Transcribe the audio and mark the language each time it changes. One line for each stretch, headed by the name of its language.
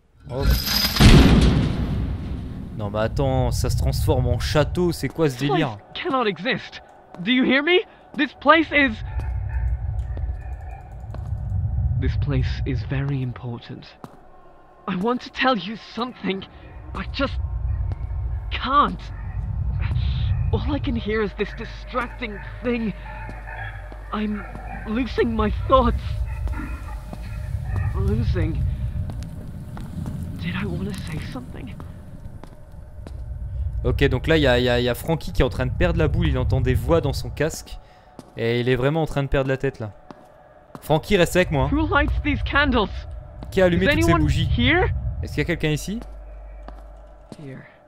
French: Oh. Non mais attends, ça se transforme en château, c'est quoi ce délire?
English: This place cannot exist. Do you hear me? This place is... This place is very important. I want to tell you something. I just can't. All I can hear is this distracting thing. I'm losing my thoughts. Losing. Did I want to say something?
French: Ok, donc là y a Franky qui est en train de perdre la boule. Il entend des voix dans son casque et il est vraiment en train de perdre la tête là. Franky, reste avec moi.
English: Who lights these candles?
French: Qui a allumé toutes ces bougies?
English: Here?
French: Est-ce qu'il y a quelqu'un ici?
English: Here.